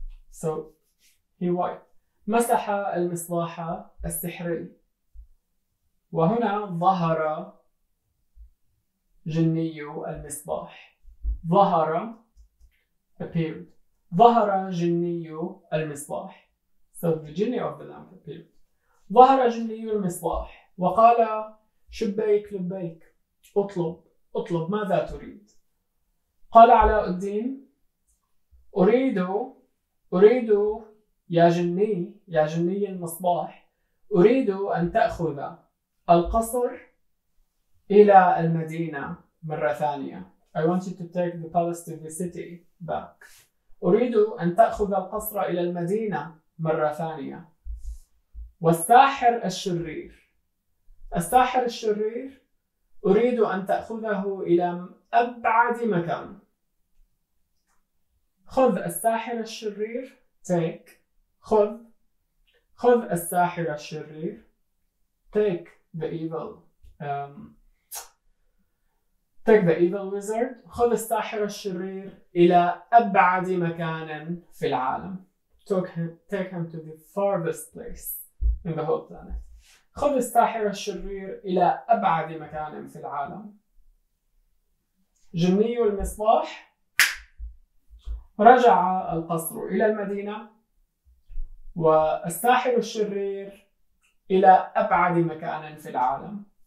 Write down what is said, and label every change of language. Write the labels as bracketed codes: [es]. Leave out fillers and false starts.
[en] So he wiped. [ar] مسح المصباح السحري. وهنا ظهر جني المصباح. ظهر appeared. ظهر جني المصباح. [en] So the genie of the lamp appeared. [ar] ظهر جني المصباح وقال: شبيك لبيك، اطلب، ماذا تريد؟ قال علاء الدين: أريد يا جني يا جني المصباح، أريد أن تأخذ القصر إلى المدينة مرة ثانية. [en] I want you to take the palace to the city back. [ar] أريد أن تأخذ القصر إلى المدينة مرة ثانية. والساحر الشرير، الساحر الشرير أريد أن تأخذه إلى أبعد مكان. خذ الساحر الشرير، خذ الساحر الشرير، [en] take the evil take the evil wizard، [ar] خذ الساحر الشرير إلى أبعد مكان في العالم. [en] Take him to the farthest place in the whole planet. [ar] خذ الساحر الشرير إلى أبعد مكان في العالم. جني المصباح رجع القصر إلى المدينة، والساحر الشرير إلى أبعد مكان في العالم.